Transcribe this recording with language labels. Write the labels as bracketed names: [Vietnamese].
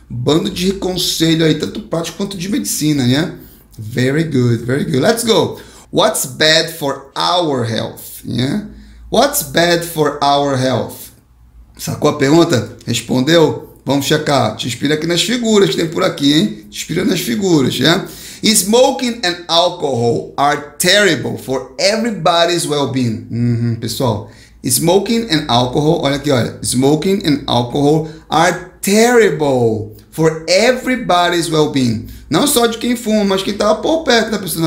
[Portuguese] Bando de conselho aí, tanto prático quanto de medicina, né? [English] Very good, very good. Let's go. What's bad for our health? Yeah? What's bad for our health? [Portuguese] Sacou a pergunta? Respondeu? Vamos checar. Te inspira aqui nas figuras que tem por aqui, hein? Te inspira nas figuras, né? Yeah? [English] Smoking and alcohol are terrible for everybody's well-being. Pessoal. Smoking and alcohol, [Portuguese] olha aqui, olha. [English] Smoking and alcohol are terrible for everybody's well-being. [Portuguese] Não só de quem fuma, mas quem tá por perto da pessoa.